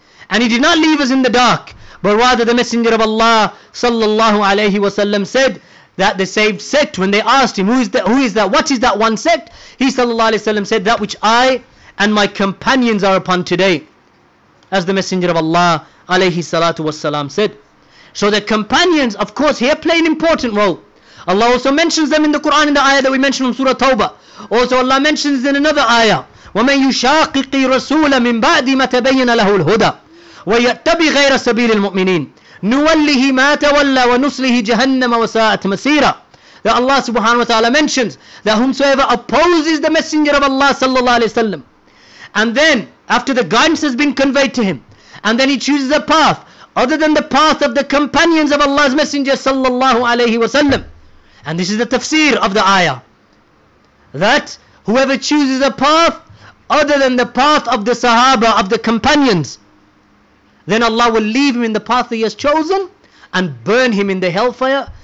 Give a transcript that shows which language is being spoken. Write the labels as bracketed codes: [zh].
[en] And he did not leave us in the dark. But rather the Messenger of Allah sallallahu alayhi wa sallam said that the saved sect, when they asked him, who is that, what is that one sect? He sallallahu alayhi wa sallam said, that which I and my companions are upon today. As the Messenger of Allah alayhi salatu wa sallam said. So the companions, of course, here play an important role. Allah also mentions them in the Quran in the ayah that we mentioned from Surah Tawbah. Also Allah mentions in another ayah, [ar] وَمَنْ يُشَاقِقِ رَسُولَ مِنْ بَعْدِ مَتَبَيَّنَ لَهُ الْهُدَى وَيَتَّبِ غَيْرَ سَبِيلِ الْمُؤْمِنِينَ نُوَلِّهِ مَا تَوَلَّى وَنُصْلِهِ جَهَنَّمَ وَسَاءَتْ مَسِيرًا. [en] That Allah subhanahu wa ta'ala mentions that whomsoever opposes the Messenger of Allah sallallahu alayhi wa sallam, and then after the guidance has been conveyed to him, and then he chooses a path other than the path of the companions of Allah's Messenger sallallahu alayhi wa sallam. And this is the tafsir of the ayah. That whoever chooses a path other than the path of the sahaba, of the companions, then Allah will leave him in the path he has chosen and burn him in the hellfire.